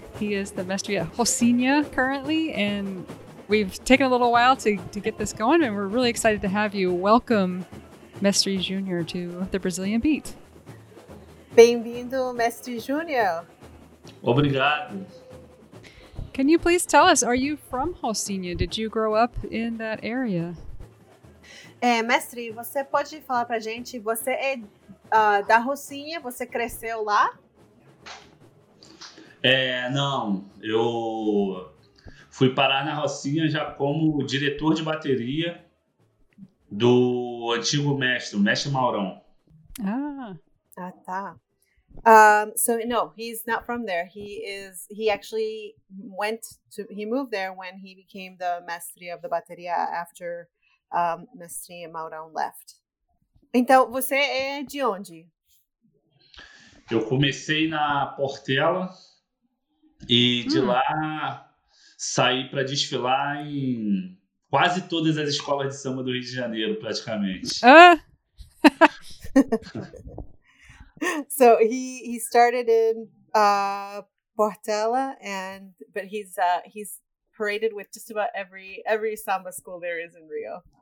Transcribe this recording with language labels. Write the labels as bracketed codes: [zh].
[en] He is the Mestre at Rocinha currently, and we've taken a little while to get this going, and we're really excited to have you. Welcome, Mestre Junior, to the Brazilian Beat. [pt] Bem-vindo, Mestre Junior. Obrigado. [en] Can you please tell us, are you from Rocinha? Did you grow up in that area? [pt] Mestre, você pode falar pra gente, você é da Rocinha, você cresceu lá? Não, eu fui parar na Rocinha já como diretor de bateria do antigo mestre, o mestre Maurão. Ah, tá. [en] No, he's not from there. He moved there when he became the mestre of the bateria after Mestre Maurão left. [pt] Então, você é de onde? Eu comecei na Portela e de lá saí para desfilar em quase todas as escolas de samba do Rio de Janeiro, praticamente. [en] So he started in Portela, and but he's paraded with just about every samba school there is in Rio.